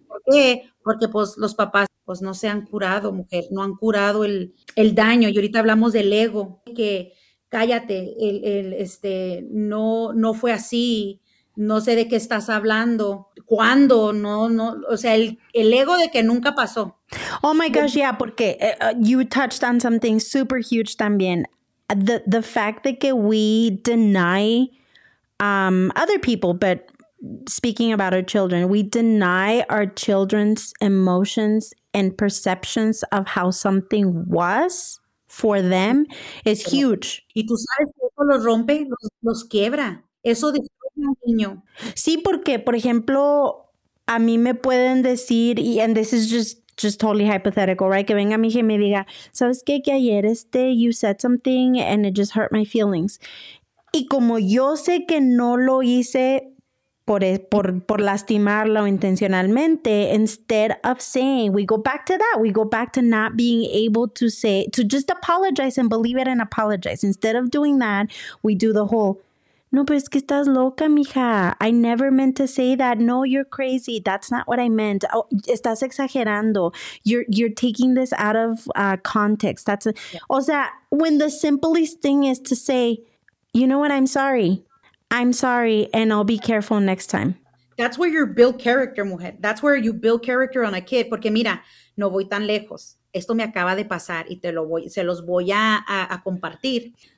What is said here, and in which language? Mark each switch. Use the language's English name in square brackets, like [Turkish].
[Spanish] Porque pues los papás pues no se han curado, mujer, no han curado el daño. Y ahorita hablamos del ego, que cállate, no fue así, no sé de qué estás hablando, cuándo, no, o sea, el ego de que nunca pasó. [English] Oh my gosh, yeah, porque you touched on something super huge también. The fact that we deny other people, but speaking about our children, we deny our children's emotions and perceptions of how something was for them is huge. [Spanish] Y tú sabes que eso los rompe, los quiebra. Eso destruye al niño. Sí, porque, por ejemplo, a mí me pueden decir, [English] and this is just totally hypothetical, right? [Spanish] Que venga mi hija y me diga, ¿sabes qué? Que ayer [English] you said something and it just hurt my feelings. [Spanish] Y como yo sé que no lo hice por lastimarlo intencionalmente, [English] instead of saying, we go back to not being able to say, to just apologize and believe it and apologize. Instead of doing that, we do the whole, [Spanish] no, pero es que estás loca, mija. [English] I never meant to say that. No, you're crazy. That's not what I meant. Oh, [Spanish] estás exagerando. [English] You're taking this out of context. That's yeah. [Spanish] O sea, [English] when the simplest thing is to say, you know what, I'm sorry, and I'll be careful next time. That's where you build character, mujer. That's where you build character on a kid. [Spanish] Porque mira, no voy tan lejos. Esto me acaba de pasar y se los voy a compartir.